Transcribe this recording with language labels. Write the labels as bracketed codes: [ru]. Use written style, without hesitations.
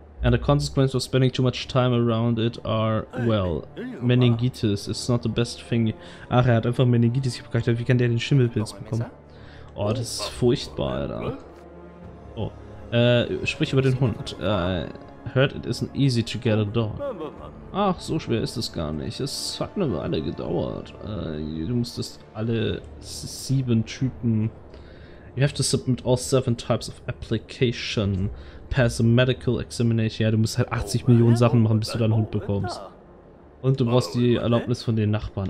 [en] And the consequences of spending too much time around it are, well, Meningitis is not the best thing. [de] Ach, er hat einfach Meningitis. Ich hab gedacht, wie kann der den Schimmelpilz bekommen? Oh, das ist furchtbar, Alter. Oh, sprich über den Hund. [en] I heard it isn't easy to get a dog. [de] Ach, so schwer ist es gar nicht. Es hat eine Weile gedauert. Du musstest alle sieben Typen... [en] You have to submit all seven types of application. Pass a medical examination. [de] Ja, du musst halt 80 Millionen Sachen machen, bis du deinen Hund bekommst. Und du brauchst die Erlaubnis von den Nachbarn.